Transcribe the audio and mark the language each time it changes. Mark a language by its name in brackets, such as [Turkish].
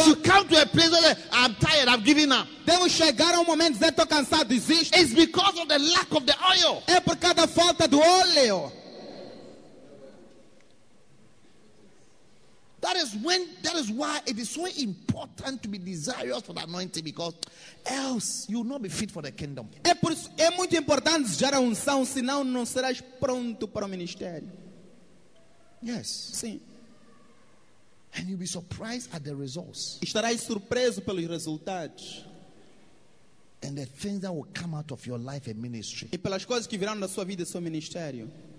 [English] as you come to a place where I'm tired, I'm giving up. [Portuguese] Devo chegar a momento de estou cansado, desisto. [English] It's because of the lack of the oil. [Portuguese] É por causa da falta do óleo. [English] That is why it is so important to be desirous for the anointing, because else you will not be fit for the kingdom. [Portuguese] É por isso é muito importante desejar a unção, senão não serás pronto para o ministério. [English] Yes. [Portuguese] Sim. [English] And you'll be surprised at the results. [Portuguese] Estarás surpreso pelos resultados. [English] And the things that will come out of your life and ministry. [Portuguese] E pelas coisas que virão da sua vida e seu ministério.